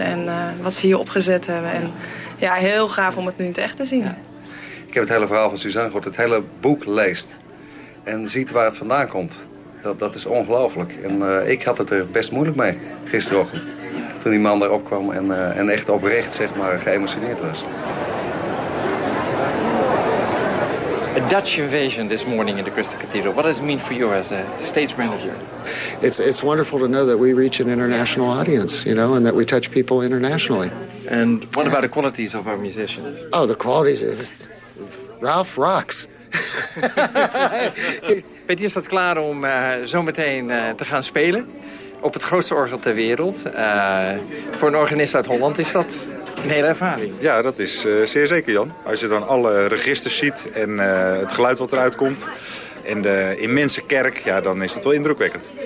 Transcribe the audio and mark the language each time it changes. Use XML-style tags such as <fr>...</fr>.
<nl>En wat ze hier opgezet hebben. En heel gaaf om het nu in het echt te zien. Ja. Ik heb het hele verhaal van Suzanne gehoord. Het hele boek leest. En ziet waar het vandaan komt. Dat is ongelooflijk. En ik had het er best moeilijk mee gisterochtend. Toen die man erop kwam en echt oprecht, zeg maar, geëmotioneerd was.</nl> <en>A Dutch invasion this morning in the Crystal Cathedral. What does it mean for you as a stage manager? It's wonderful to know that we reach an international audience, you know, and that we touch people internationally. And what about the qualities of our musicians? Oh, the qualities is Ralph rocks.</en> <nl>Betty is dat klaar om zometeen te gaan spelen op het grootste orgel ter wereld. Voor een organist uit Holland is dat een hele ervaring. Ja, dat is zeer zeker, Jan. Als je dan alle registers ziet en het geluid wat eruit komt en de immense kerk, ja, dan is dat wel indrukwekkend.</nl>